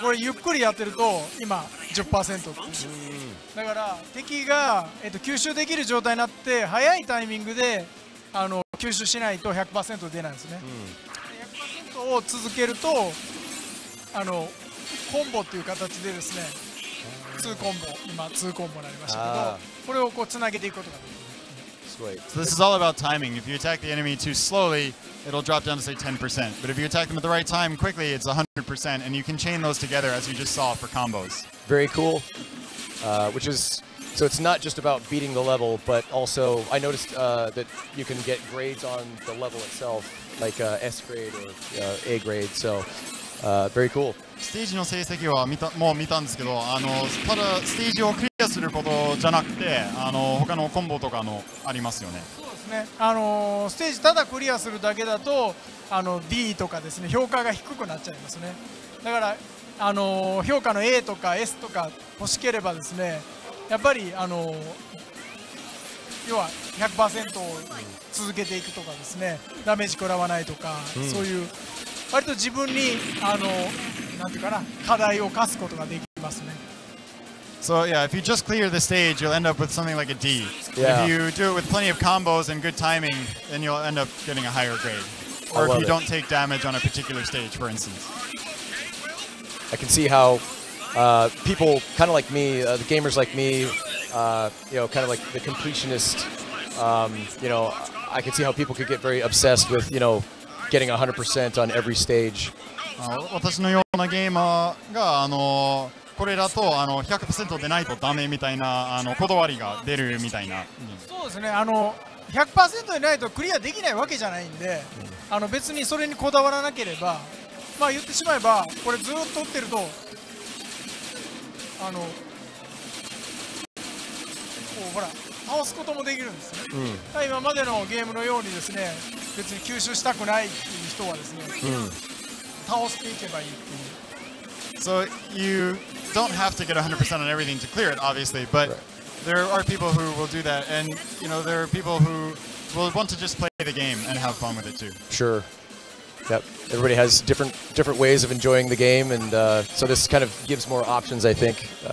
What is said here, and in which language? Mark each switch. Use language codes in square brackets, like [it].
[ja] これゆっくりやってると、今 10% って。だから、敵が吸収できる状態になって、早いタイミングで、あの吸収しないと 100% 出ないんですね。 100% を続けるとあのコンボっていう形でですね、2コンボ、今2コンボになりましたけど、これをこうつなげていくことができる。 [en] So this is all about timing. If you attack the enemy too slowly, it'll drop down to say 10%. But if you attack them at the right time quickly, it's 100%, and you can chain those together as you just saw for combos. Very cool. Which is So it's not just about beating the level, but also I noticed that you can get grades on the level itself, like S grade or A grade. So very cool. [ja] Stage の成績は見たもう見たんですけど、あのただステージをクリアすることじゃなくて、あの他のコンボとかのありますよね。そうですね。あのステージただクリアするだけだと、あの D とかですね、評価が低くなっちゃいますね。だからあの評価の A とか S とか欲しければですね。やっぱりあの要は 100% を続けていくとかですね、ダメージ食らわないとか、そういう割と自分にあのなんていうかな、課題を課すことができますね。 [en] So yeah, if you just clear the stage, you'll end up with something like a D. If you do it with plenty of combos and good timing, then you'll end up getting a higher grade. Or if you don't take damage on a particular stage, for instance. I can see how people kind of like me, the gamers like me, you know, kind of like the completionist, you know, I can see how people could get very obsessed with, you know, getting 100% on every stage. [ja] 私のようなゲーマーが、あの、これだとあの 100% 出ないとダメみたいなあのこだわりが出るみたいな、うん、そうですね、あの 100% 出ないとクリアできないわけじゃないんで、うん、あの別にそれにこだわらなければ、まあ言ってしまえばこれずっと打ってるとあのこうほら倒すこともできるんですね、うん、今までのゲームのようにですね、別に吸収したくないっていう人はですね、うん、倒していけばいいっていう。 [en] So you don't have to get 100% on everything to clear it, obviously, but there are people who will do that, and you know, there are people who will want to just play the game and have fun with it too. Sure. Yep. Everybody has different ways of enjoying the game, and so this kind of gives more options, I think.